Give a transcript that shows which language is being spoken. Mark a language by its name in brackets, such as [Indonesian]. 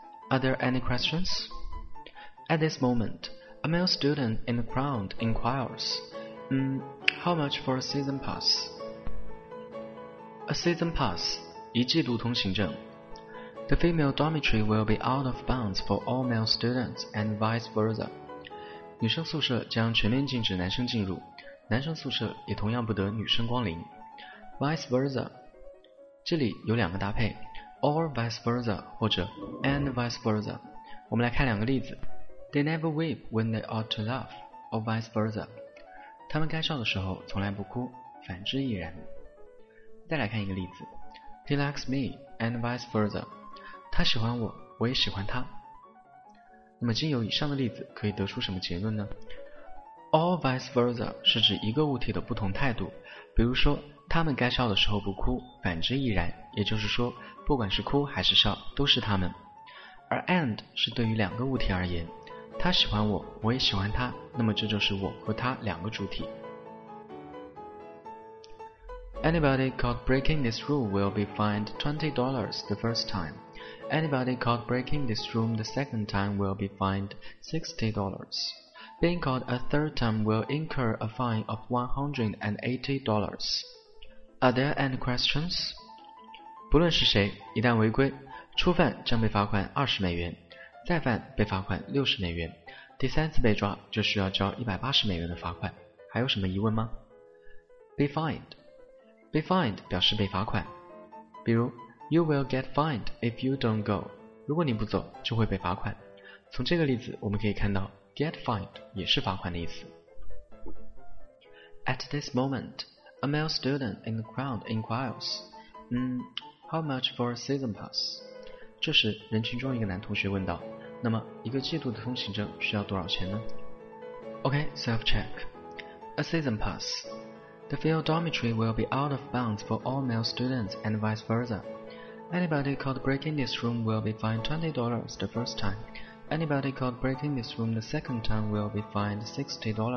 [English] Are there any questions? At this moment,A male student in the crowd inquires, how much for a season pass? A season pass, [Chinese] 一季度通行证。 [English] The female dormitory will be out of bounds for all male students and vice versa. [Chinese] 女生宿舍将全面禁止男生进入，男生宿舍也同样不得女生光临。 [English] Vice versa, [Chinese] 这里有两个搭配 [English] or vice versa [Chinese] 或者 [English] and vice versa. [Chinese] 我们来看两个例子。 [English] They never weep when they ought to laugh, or vice versa. [Chinese] 他们该笑的时候从来不哭，反之亦然。再来看一个例子。 [English] He likes me, and vice versa. [Chinese] 他喜欢我，我也喜欢他。那么经由以上的例子可以得出什么结论呢？ [English] All vice versa [Chinese] 是指一个物体的不同态度。比如说，他们该笑的时候不哭，反之亦然。也就是说，不管是哭还是笑，都是他们。而 and 是对于两个物体而言。他喜欢我，我也喜欢他，那么这就是我和他两个主体。 [English] Anybody caught breaking this rule will be fined $20 the first time. Anybody caught breaking this rule the second time will be fined $60. Being caught a third time will incur a fine of $180. Are there any questions? [Chinese] 不论是谁，一旦违规，初犯将被罚款$20。再犯被罚款$60，第三次被抓就需要交$180的罚款。还有什么疑问吗？ [English] Be fined [Chinese] 表示被罚款。比如 [English] You will get fined if you don't go， [Chinese] 如果你不走就会被罚款。从这个例子我们可以看到 get fined 也是罚款的意思。 [English] At this moment a male student in the crowd inquires how much for a season pass？ [Chinese] 这时人群中一个男同学问道，那么一个季度的通行证需要多少钱呢？ [English] OK, self-check. A season pass. The female dormitory will be out of bounds for all male students and vice versa. Anybody caught breaking this room will be fined $20 the first time. Anybody caught breaking this room the second time will be fined $60.